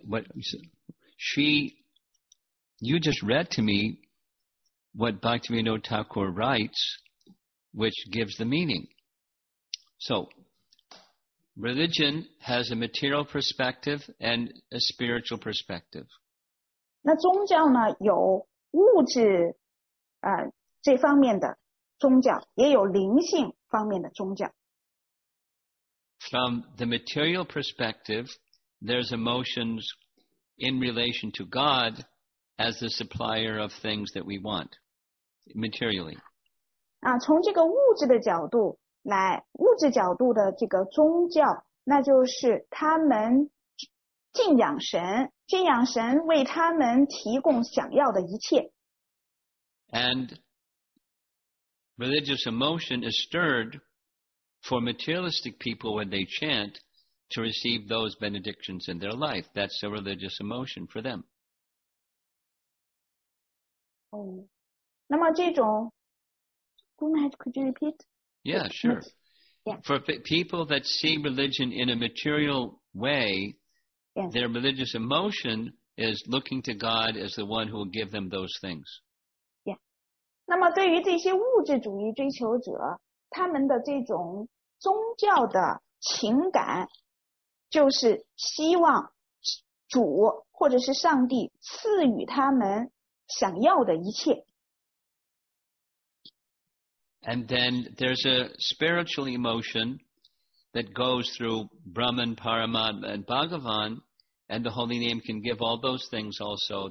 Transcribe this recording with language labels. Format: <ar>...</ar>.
<en>But what she, you just read to me what Bhaktivinoda Thakur writes, which gives the meaning. So, religion has a material perspective and a spiritual perspective.</en> <zh>那宗教呢，有物质，这方面的宗教，也有灵性方面的宗教。</zh> <en>From the material perspective, there's emotions in relation to God as the supplier of things that we want materially.</en> <zh>啊，从这个物质的角度来，物质角度的这个宗教，那就是他们敬仰神，敬仰神为他们提供想要的一切。</zh> <en>And religious emotion is stirred for materialistic people when they chant to receive those benedictions in their life. That's a religious emotion for them.</en> <zh>那么这种</zh> <en>could you repeat? Yeah, sure. Yeah. For people that see religion in a material way, their religious emotion is looking to God as the one who will give them those things. Yeah.</en> <zh>那么对于这些物质主义追求者，他们的这种宗教的情感就是希望主或者是上帝赐予他们想要的一切。</zh> <en>And then there's a spiritual emotion that goes through Brahman, Paramatma, and Bhagavan, and the holy name can give all those things also.</en>